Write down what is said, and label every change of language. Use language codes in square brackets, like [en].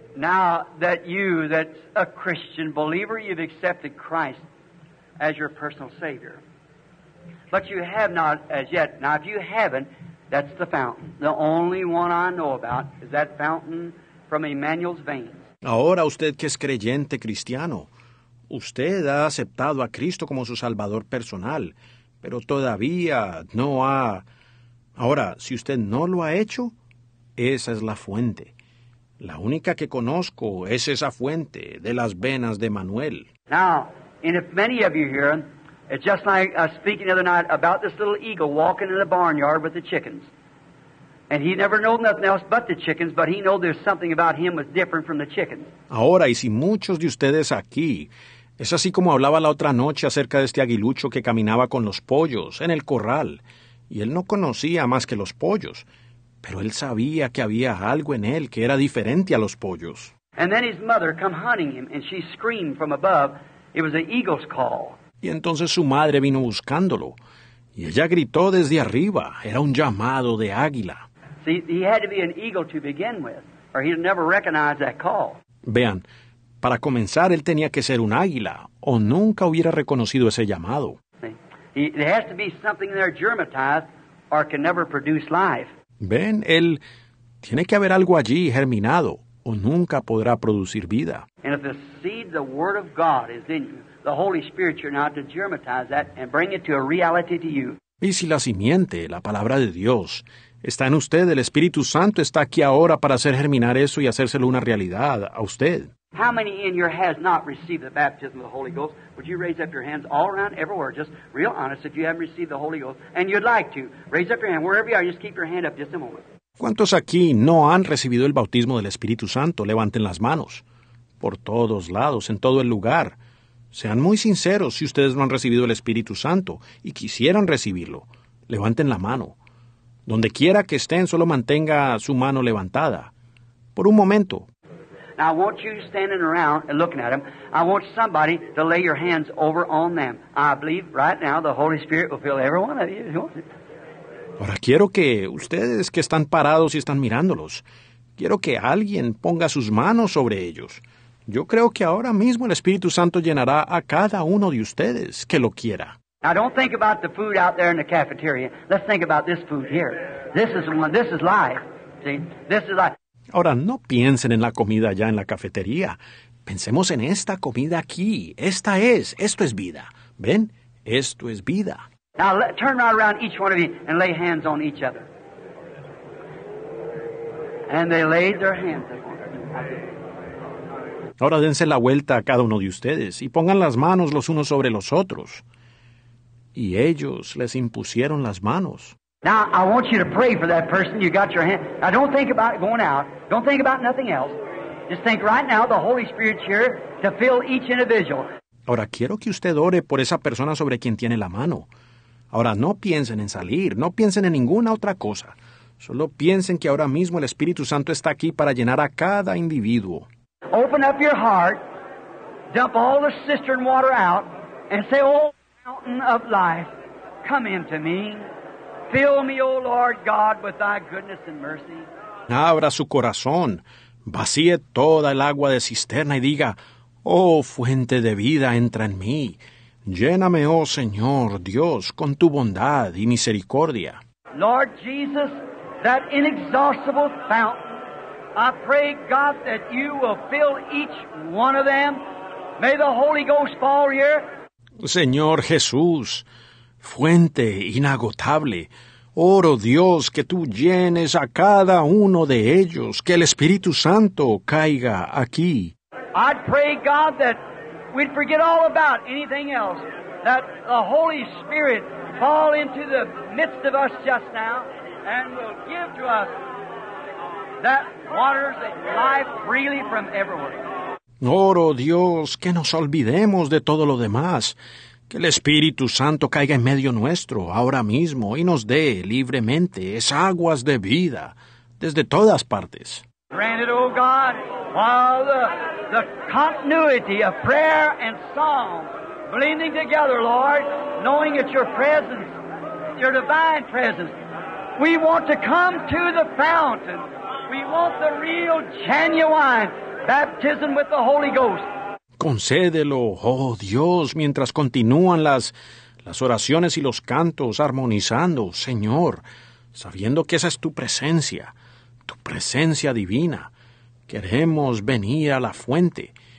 [en] A Christian believer, you've accepted Christ as your personal Savior. But you have not as yet. Now, if you haven't, that's the fountain. The only one I know about is that fountain from Emmanuel's veins. [es] Ahora usted que es creyente cristiano, usted ha aceptado a Cristo como su Salvador personal, pero todavía no ha... Ahora, si usted no lo ha hecho, esa es la fuente. La única que conozco es esa fuente de las venas de Manuel. [en] Now, and if many of you here, it's just like speaking the other night about this little eagle walking in the barnyard with the chickens. And he never knew nothing else but the chickens, but he knew there's something about him was different from the chickens. [es] Ahora, y si muchos de ustedes aquí, es así como hablaba la otra noche acerca de este aguilucho que caminaba con los pollos en el corral, y él no conocía más que los pollos. Pero él sabía que había algo en él que era diferente a los pollos. [en] And then his mother come hunting him, and she screamed from above. It was an eagle's call. [es] Y entonces su madre vino buscándolo, y ella gritó desde arriba. Era un llamado de águila. [en] See, he had to be an eagle to begin with, or he'd never recognize that call. [es] Vean, para comenzar, él tenía que ser un águila, o nunca hubiera reconocido ese llamado. [en] There has to be something there germatized, or can never produce life. [es] Ven, él tiene que haber algo allí germinado, o nunca podrá producir vida. [en] And if the seed, the word of God, is in you, the Holy Spirit, you're now to germatize that and bring it to a reality to you. [es] Y si la simiente, la palabra de Dios, está en usted, el Espíritu Santo está aquí ahora para hacer germinar eso y hacérselo una realidad a usted. [en] How many in here has not received the baptism of the Holy Ghost? Would you raise up your hands all around, everywhere, just real honest, if you haven't received the Holy Ghost, and you'd like to, raise up your hand, wherever you are, just keep your hand up just a moment. [es] ¿Cuántos aquí no han recibido el bautismo del Espíritu Santo? Levanten las manos. Por todos lados, en todo el lugar. Sean muy sinceros si ustedes no han recibido el Espíritu Santo y quisieran recibirlo. Levanten la mano. Donde quiera que estén, solo mantenga su mano levantada. Por un momento. [en] I want you standing around and looking at them. I want somebody to lay your hands over on them. I believe right now the Holy Spirit will fill every one of you. [es] Ahora quiero que ustedes que están parados y están mirándolos, quiero que alguien ponga sus manos sobre ellos. Yo creo que ahora mismo el Espíritu Santo llenará a cada uno de ustedes que lo quiera. [en] Now don't think about the food out there in the cafeteria. Let's think about this food here. This is one. This is life. See? This is life. [es] Ahora, no piensen en la comida allá en la cafetería. Pensemos en esta comida aquí. Esta es. Esto es vida. ¿Ven? Esto es vida. [en] Now, turn right around each one of you and lay hands on each other. And they laid their hands upon them. [es] Ahora, dense la vuelta a cada uno de ustedes y pongan las manos los unos sobre los otros. Y ellos les impusieron las manos. [en] Now, I want you to pray for that person. You got your hand. Now, don't think about going out. Don't think about nothing else. Just think right now, the Holy Spirit's here to fill each individual. [es] Ahora, quiero que usted ore por esa persona sobre quien tiene la mano. Ahora, no piensen en salir. No piensen en ninguna otra cosa. Solo piensen que ahora mismo el Espíritu Santo está aquí para llenar a cada individuo. [en] Open up your heart. Dump all the cistern water out. And say, oh, fountain of life, come into me. Fill me, O Lord God, with thy goodness and mercy. [es] Abra su corazón, vacíe toda el agua de cisterna y diga, oh, fuente de vida, entra en mí. Lléname, oh, Señor Dios, con tu bondad y misericordia. [en] Lord Jesus, that inexhaustible fountain. I pray, God, that you will fill each one of them. May the Holy Ghost fall here. [es] Señor Jesús, fuente inagotable, oro Dios que tú llenes a cada uno de ellos, que el Espíritu Santo caiga aquí. [en] I'd pray, God, that we'd forget all about anything else, that the Holy Spirit fall into the midst of us just now and will give to us that waters of life freely from everywhere. [es] Oro Dios, que nos olvidemos de todo lo demás. Que el Espíritu Santo caiga en medio nuestro ahora mismo y nos dé libremente esas aguas de vida desde todas partes. [en] Granted, oh God, while the continuity of prayer and song blending together, Lord, knowing it's your presence, your divine presence, we want to come to the fountain. We want the real genuine baptism with the Holy Ghost. [es] Concédelo, oh Dios, mientras continúan las oraciones y los cantos armonizando, Señor, sabiendo que esa es tu presencia divina. Queremos venir a la fuente.